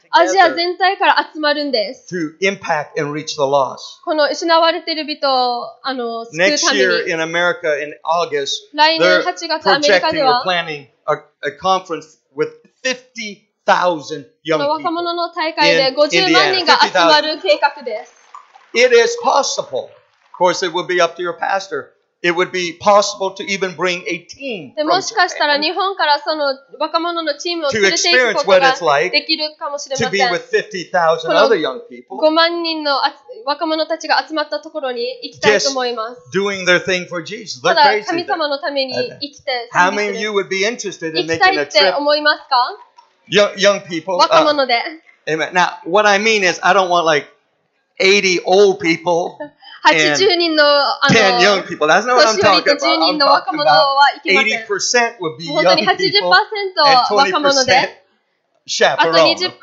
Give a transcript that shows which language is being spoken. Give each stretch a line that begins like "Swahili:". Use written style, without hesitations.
Japanese: アジア全体から集まるんです。
English: To impact and reach the lost.
Japanese: この失われている人を救うために。
English: Next year in America in August,
Japanese: 来年8月アメリカでは、
English: they're projecting or planning a conference with 50,000
Japanese: この若者の大会で50万人が集まる計画です。
English: It is possible. Of course, it would be up to your pastor. it would be possible to even bring a team from Japan.
Japanese: もしかしたら日本からその若者のチームを連れて行くことができるかもしれません。
English: To be with 50,000 other young people.
Japanese: この5万人の若者たちが集まったところに行きたいと思います。
English: Just doing their thing for Jesus.
Japanese: ただ神様のために生きて。
English: How many of you would be interested in making a trip?
Japanese: 行きたいって思いますか？
English: Young people.
Japanese: 若者で。
English: Amen. Now, what I mean is, I don't want like 80 old people.
Japanese: 80人の、
English: 10 young people. That's not what I'm talking about. I'm talking about 80% would be young people. And 20% chaperone, of course.